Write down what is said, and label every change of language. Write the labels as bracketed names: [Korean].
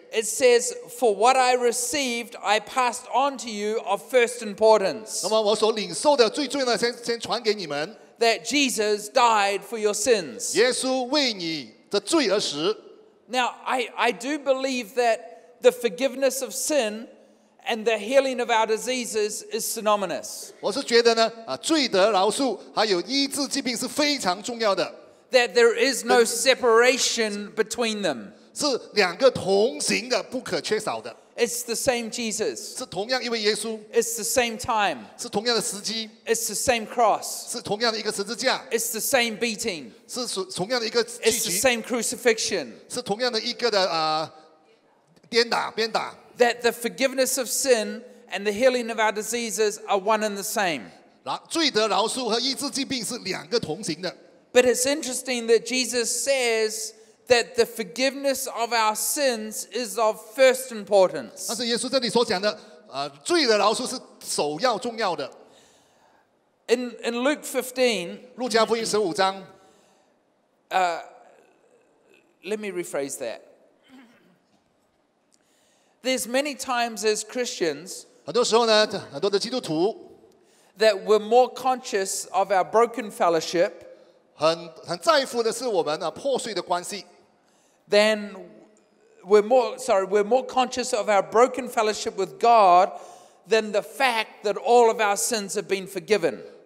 [English] It says, for what I received, I passed on to you of first importance. [Chinese] 那么我所领受的最重要的先传给你们。 [English] That Jesus died for your sins. [Chinese] 耶稣为你的罪而死。 [English] Now, I do believe that the forgiveness of sin and the healing of our diseases is synonymous. [Chinese] 我是觉得呢，罪得饶恕还有医治疾病是非常重要的。 [English] That there is no separation between them. [Chinese] 是两个同行的，不可缺少的。 [English] It's the same Jesus. [Chinese] 是同样一位耶稣。 [English] It's the same time. [Chinese] 是同样的时机。 [English] It's the same cross. [Chinese] 是同样的一个十字架。 [English] It's the same beating. [Chinese] 是同样的一个聚集。 [English] It's the same crucifixion. [Chinese] 是同样的一个的鞭打。 [English] That the forgiveness of sin and the healing of our diseases are one and the same. [Chinese] 罪得饶恕和医治疾病是两个同行的。 [English] But it's interesting that Jesus says that the forgiveness of our sins is of first importance. [Chinese] 但是耶稣这里所讲的，罪的饶恕是首要重要的。 [English] In Luke 15, [Chinese] 路加福音15章, [English] let me rephrase that. There's many times as Christians, [Chinese] 很多时候呢，很多的基督徒, [English] that we're more conscious of our broken fellowship, [Chinese] 很在乎的是我们破碎的关系。 [English] Then we're more conscious of our broken fellowship with God than the fact that all of our sins have been forgiven.